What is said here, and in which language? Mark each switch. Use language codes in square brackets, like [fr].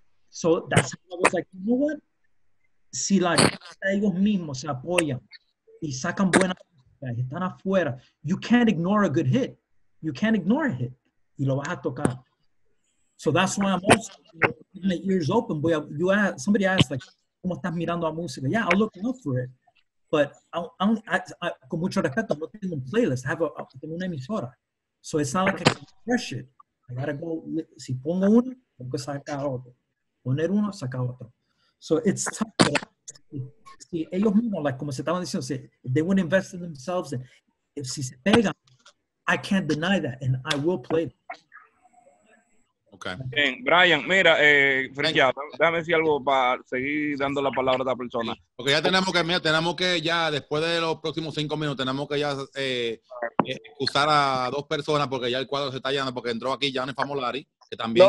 [en] So that's how I was like, you know what? [es] Si la gente ellos mismos se apoyan y sacan buenas cosas, están afuera, [en] you can't ignore a good hit. You can't ignore a hit. [es] Y lo vas a tocar. [en] So that's why I'm also, my ears open. Boy, somebody asked, like, [es] ¿cómo estás mirando a música? [en] Yeah, I'll look out for it. But I, [es] con mucho respeto, no tengo un playlist, tengo una emisora. [en] So it's not like I can crush it. I gotta go, [es] si pongo uno, tengo que sacar otro. Poner uno, sacar otro. [en] So it's tough. [es] Si ellos mismos, like, como se estaban diciendo, si, [en] they wouldn't invest in themselves. And if [es] si se pegan, [en] I can't deny that, and I will play them. Okay. [es] Bien, Brian, mira, Frenkia, déjame decir algo para seguir dando la palabra a la persona. Porque okay, ya tenemos que, mira, tenemos que ya, después de los próximos 5 minutos, tenemos que ya excusar a 2 personas porque ya el cuadro se está llenando, porque entró aquí Jane Famolari, que también...